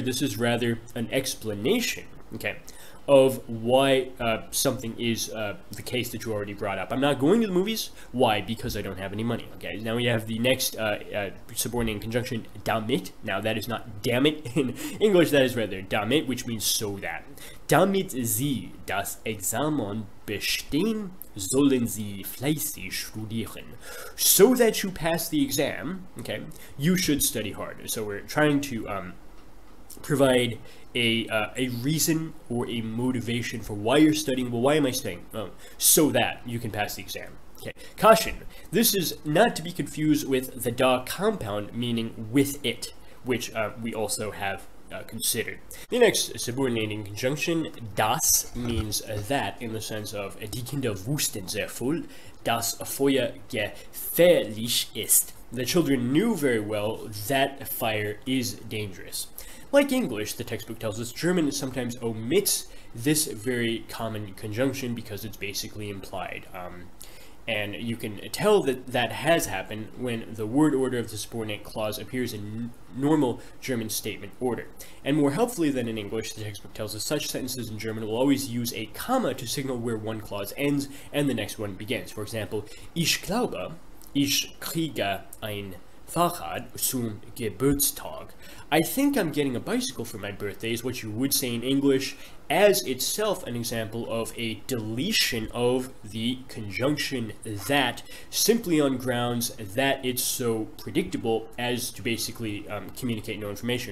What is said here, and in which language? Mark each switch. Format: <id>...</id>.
<en>This is rather an explanation, okay, of why something is the case that you already brought up. I'm not going to the movies. Why? Because I don't have any money, okay? Now we have the next subordinate conjunction, damit. Now that is not damn it in English, that is rather damit, which means so that.</en> <de>Damit Sie das Examen bestehen, sollen Sie fleißig studieren.</de> <en>So that you pass the exam, okay, you should study hard. So we're trying to provide a reason or a motivation for why you're studying. Well, why am I studying? Oh, so that you can pass the exam. Okay. Caution. This is not to be confused with the da compound, meaning with it, which we also have considered. The next subordinating conjunction, das, means that in the sense of</en> <de>die Kinder wussten sehr wohl, dass Feuer gefährlich ist.</de> <en>The children knew very well that fire is dangerous. Like English, the textbook tells us, German sometimes omits this very common conjunction because it's basically implied. And you can tell that that has happened when the word order of the subordinate clause appears in normal German statement order. And more helpfully than in English, the textbook tells us such sentences in German will always use a comma to signal where one clause ends and the next one begins. For example,</en> <de>ich glaube, ich kriege ein Fahrrad zum Geburtstag.</de> <en>I think I'm getting a bicycle for my birthday is what you would say in English, as itself an example of a deletion of the conjunction that, simply on grounds that it's so predictable as to basically communicate no information.</en>